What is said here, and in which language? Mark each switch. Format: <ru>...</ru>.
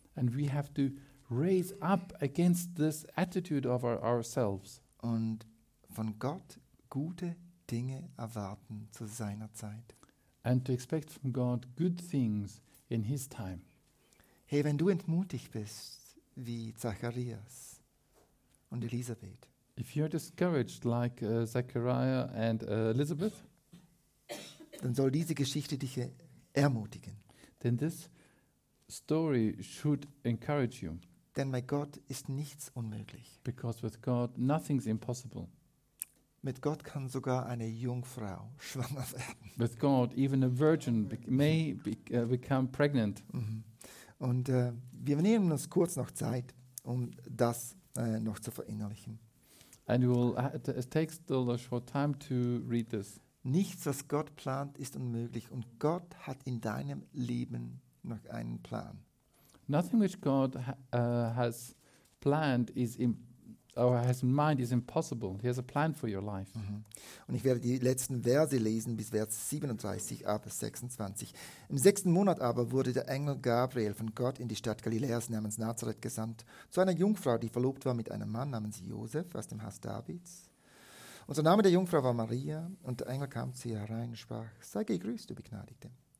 <en>And we have to raise up against this attitude of ourselves.</en> <de>Und von Gott gute Dinge erwarten zu seiner Zeit.</de> <en>And to expect from God good things in his time.</en> <de>Hey, wenn du entmutigt bist, wie Zacharias, und Elisabeth.</de> <en>If you're discouraged like Zechariah and Elizabeth,</en> <de>dann soll diese Geschichte dich ermutigen.</de> <en>Then this story should encourage you.</en> <de>Denn bei Gott ist nichts unmöglich.</de> <en>Because with God nothing's impossible.</en> <de>Mit Gott kann sogar eine Jungfrau schwanger werden.</de> <en>With God even a virgin may become pregnant. Mm-hmm.</en> <de>Und wir nehmen uns kurz noch Zeit, um das noch zu verinnerlichen.</de> <en>And it takes still a short time to read this.</en> <de>Nichts, was Gott plant, ist unmöglich, und Gott hat in deinem Leben noch einen Plan.</de> <en>Nothing which God has planned is has in mind is impossible. He has a plan for your life. Mm-hmm.</en> <de>Und ich werde die letzten Verse lesen bis Vers 37 ab 26. Im sechsten Monat aber wurde der Engel Gabriel von Gott in die Stadt Galiläas namens Nazareth gesandt, zu einer Jungfrau, die verlobt war mit einem Mann namens Josef aus dem Haus Davids. Unser Name der Jungfrau war Maria, und der Engel kam zu ihr herein und sprach: Sei gegrüßt, du Begnadigte.</de>